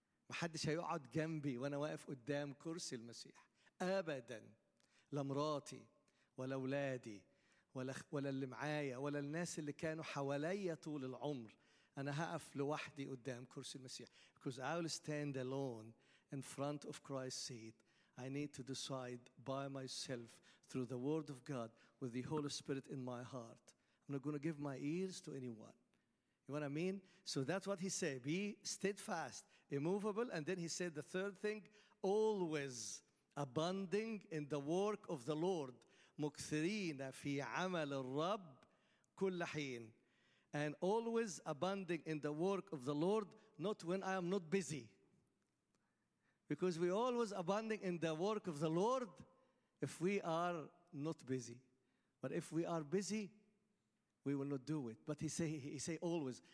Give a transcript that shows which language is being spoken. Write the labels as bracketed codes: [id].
[ar] محدش هيقعد جنبي وأنا واقف قدام كرسي المسيح أبداً. لمراتي ولا أولادي ولا اللي معايا ولا الناس اللي كانوا حواليا طول العمر. أنا هقف لوحدي قدام كرسي المسيح. [en] Because I will stand alone in front of Christ's seat. I need to decide by myself through the word of God with the Holy Spirit in my heart. I'm not going to give my ears to anyone. You know what I mean? So that's what he said. Be steadfast, immovable. And then he said the third thing, always abounding in the work of the Lord. [ar] مكثرين في عمل الرب كل حين. [en] And always abounding in the work of the Lord, not when I am not busy. Because we always abounding in the work of the Lord if we are not busy. But if we are busy, we will not do it. But he say always.